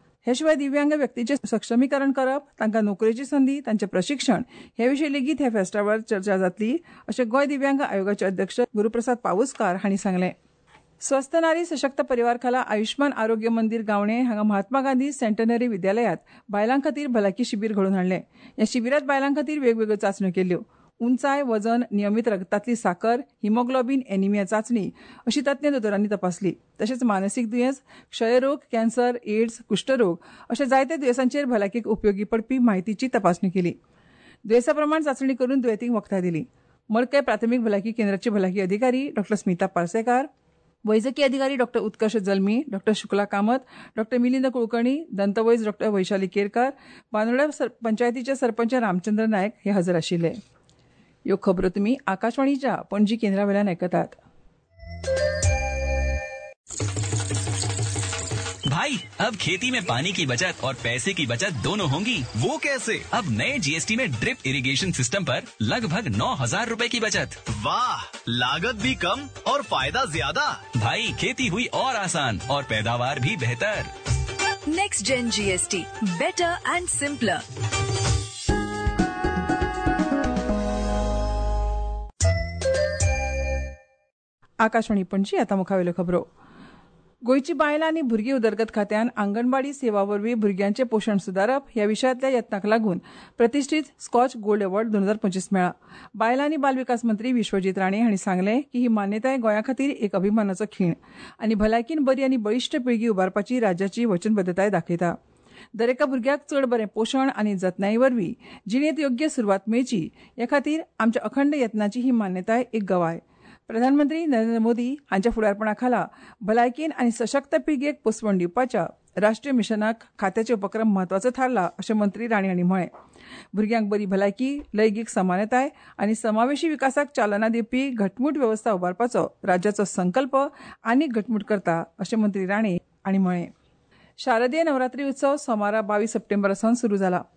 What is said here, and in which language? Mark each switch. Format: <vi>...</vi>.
<gom>ह्या शिवाय दिव्यांग व्यक्तीचे सक्षमीकरण करप, तांकां नोकरेची संदी, तांचे प्रशिक्षण ह्या विशीं लेगीत ह्या फेस्टावर चर्चा जातली अशें गोंय दिव्यांग आयोगाचे अध्यक्ष गुरुप्रसाद पावसकार हांणी सांगले. स्वस्थ नारी सशक्त परिवार खाला आयुष्मान आरोग्य मंदीर गांवणे हांगा महात्मा गांधी सेंटनरी विद्यालयात बायलां खातीर भलायकी शिबीर घडोवन हाडले. ह्या शिबिरात बायलां खातीर वेगवेगळ्यो चाचण्यो केल्यो. उंचाय, वजन, नियमीत रगतातली साखर, हिमोग्लोबीन, एनिमिया चाचणी अशी तज्ञ दोतोरांनी तपासली. तशेंच मानसीक दुयेंस, क्षयरोग, कॅन्सर, एड्स, कुष्ठरोग अशा जायत्या दुयेंसांचेर भलायकेक उपयोगी पडपी माहितीची तपासणी केली. दुयेंसा प्रमाण चाचणी करून दुयेंतींक वखदां दिली. मडकय प्राथमीक भलायकी केंद्राची भलायकी अधिकारी डॉ स्मिता पारसेकार, वैजकीय अधिकारी डॉ उत्कर्ष जल्मी, डॉ शुक्ला कामत, डॉ मिलिंद कुळकर्णी, दंतवैज डॉ वैशाली केरकार, बांदोड्या पंचायतीचे सरपंच रामचंद्र नायक हे हजर आशिल्ले. ह्यो खबरो तुम्ही आकाशवाणीच्या पणजी केंद्रावेळान ऐकतात.</gom> <hi>भाई, अब खेती में पानी की बचत और पैसे की बचत दोनों होंगी. वो कैसे? अब नए GST में ड्रिप इरिगेशन सिस्टम पर लगभग 9,000 रुपए की बचत. वाह, लागत भी कम और फायदा ज्यादा. भाई, खेती हुई और आसान और पैदावार भी बेहतर.</hi> <en>Next gen GST, better and simpler.</en> <gom>Akashvani Panaji आता मुखावेल्यो खबरो. गोयची बायला आनी भुरगी उदरगत खात्यान आंगणवाडी सेवा वरवी भुरग्यांचे पोषण सुदारप ह्या विषयातल्या यत्नाक लागून प्रतिष्ठीत स्कॉच गोल्ड अवॉर्ड 2025 मेळा. बायला आनी बाल विकास मंत्री विश्वजीत राणे हांणी सांगले की ही मान्यताय गोंया खातीर एक अभिमानाचो खीण आनी भलायकीन बरी आनी बळिश्ठ पिळगी उबारपाची राज्याची वचनबद्धताय दाखयता. दरेका भुरग्याक चड बरें पोषण आनी जतनाये वरवी जिणेंत योग्य सुरवात मेळची ह्या खातीर आमच्या अखंड यत्नाची ही मान्यताय एक गवाय. प्रधानमंत्री नरेंद्र मोदी हांच्या फुडारपणा खाला भलायकेन आनी सशक्त पिळगेक पुसवण दिवपाच्या राष्ट्रीय मिशनाक खात्याचे उपक्रम म्हत्वाचो थारला अशें मंत्री राणे हांणी म्हळें. भुरग्यांक बरी भलायकी, लैंगीक समानताय आनी समावेशी विकासाक चालना दिवपी घटमूट वेवस्था उबारपाचो राज्याचो संकल्प आनीक घटमूट करता अशें मंत्री राणे हांणी म्हळें. शारदीय नवरात्री उत्सव सोमारा 22 सप्टेंबर सावन सुरू जाला.</gom>